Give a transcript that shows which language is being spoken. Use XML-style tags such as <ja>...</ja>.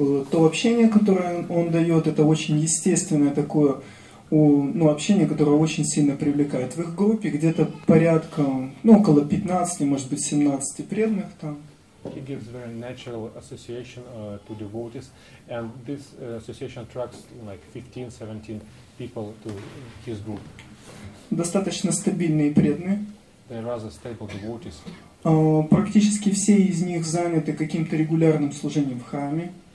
<ru>То общение, которое он дает, это очень естественное такое общение, которое очень сильно привлекает. В их группе где-то порядка, около 15, может быть, 17 преданных там.</ru> <en>He gives very natural association to devotees, and this association attracts like 15-17 people to his group.</en> <ru>Достаточно стабильные преданные.</ru> <en>They're rather stable devotees.</en> <ru>Практически все из них заняты каким-то регулярным служением в храме.</ru>